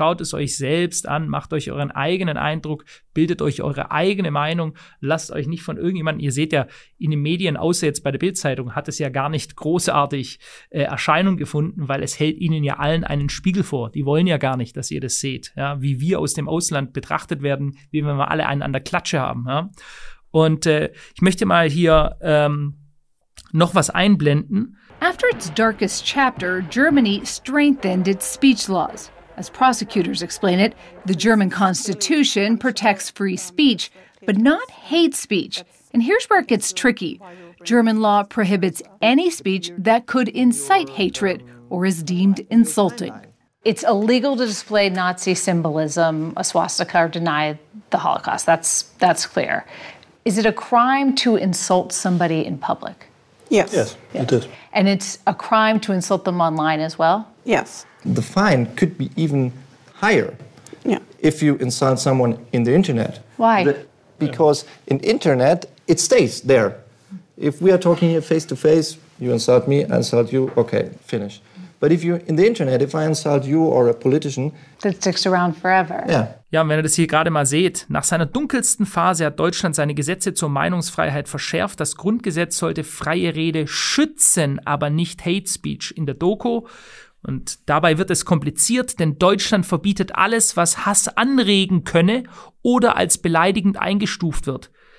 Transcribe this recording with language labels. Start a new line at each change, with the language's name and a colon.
German: Schaut es euch selbst an, macht euch euren eigenen Eindruck, bildet euch eure eigene Meinung, lasst euch nicht von irgendjemandem, ihr seht ja in den Medien, außer jetzt bei der Bild-Zeitung, hat es ja gar nicht großartig Erscheinung gefunden, weil es hält ihnen ja allen einen Spiegel vor. Die wollen ja gar nicht, dass ihr das seht, ja, wie wir aus dem Ausland betrachtet werden, wie wenn wir alle einen an der Klatsche haben. Ja? Und ich möchte mal hier noch was einblenden.
English: After its darkest chapter, Germany strengthened its speech laws. As prosecutors explain it, the German constitution protects free speech, but not hate speech. And here's where it gets tricky. German law prohibits any speech that could incite hatred or is deemed insulting. It's illegal to display Nazi symbolism, a swastika, or deny the Holocaust. That's clear. Is it a crime to insult somebody in public? Yes. Yes, it is. And it's a crime to insult them online as well? Yes. The fine could be even higher. Yeah. If you insult someone in the internet. Why? Because in internet, it stays there. If we are talking here face to face, you insult me, I insult you, okay, finish. But if you in the internet, if I insult you or a politician, that sticks around forever. Yeah.
German: Ja, und wenn ihr das hier gerade mal seht, nach seiner dunkelsten Phase hat Deutschland seine Gesetze zur Meinungsfreiheit verschärft. Das Grundgesetz sollte freie Rede schützen, aber nicht Hate Speech in der Doku. Und dabei wird es kompliziert, denn Deutschland verbietet alles, was Hass anregen könne oder als beleidigend eingestuft wird.